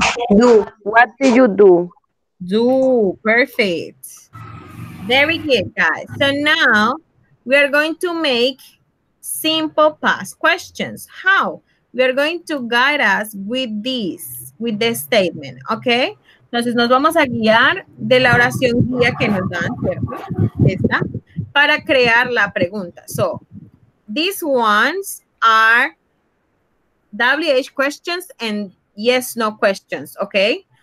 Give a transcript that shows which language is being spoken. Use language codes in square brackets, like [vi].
[en] Do. What did you do? Do. Perfect. Very good, guys. So now we are going to make simple past questions. How? We are going to guide us with this, with this statement, okay? [es] Entonces, nos vamos a guiar de la oración guía que nos dan, ¿cierto? Esta, para crear la pregunta. [en] So, these ones are WH questions and yes, no questions, okay?